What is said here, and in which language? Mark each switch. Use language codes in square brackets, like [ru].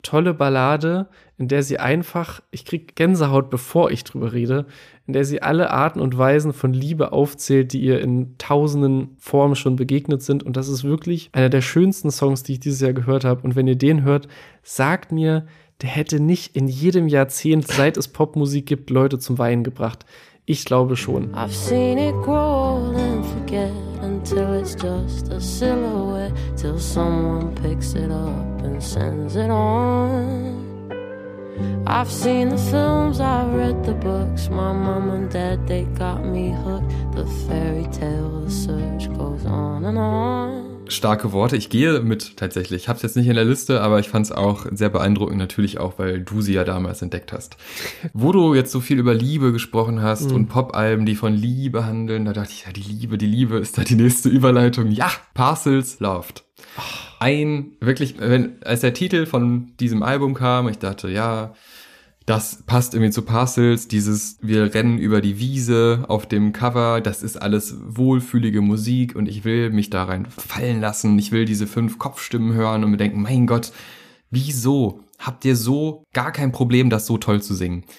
[de] Tolle Ballade, in der sie einfach, ich krieg Gänsehaut, bevor ich drüber rede, in der sie alle Arten und Weisen von Liebe aufzählt, die ihr in tausenden Formen schon begegnet sind. Und das ist wirklich einer der schönsten Songs, die ich dieses Jahr gehört habe. Und wenn ihr den hört, sagt mir, der hätte nicht in jedem Jahrzehnt, seit es Popmusik gibt, Leute zum Weinen gebracht. Ich glaube schon. [en] I've seen it grow and forget until it's just a silhouette, till someone picks it up and sends it on. I've seen the films, I've read the books, my mom and dad, they got me hooked, the fairy tale, the search goes on and on. [de] Starke Worte. Ich gehe mit tatsächlich. Ich habe es jetzt nicht in der Liste, aber ich fand es auch sehr beeindruckend, natürlich auch, weil du sie ja damals entdeckt hast. Wo du jetzt so viel über Liebe gesprochen hast und Pop-Alben, die von Liebe handeln, da dachte ich, ja, die Liebe ist da die nächste Überleitung. Ja, Parcels Loved. Ein, wirklich, wenn, als der Titel von diesem Album kam, ich dachte, ja, das passt irgendwie zu Parcels, dieses wir rennen über die Wiese auf dem Cover, das ist alles wohlfühlige Musik und ich will mich da rein fallen lassen, ich will diese 5 Kopfstimmen hören und mir denken, mein Gott, wieso habt ihr so gar kein Problem, das so toll zu singen?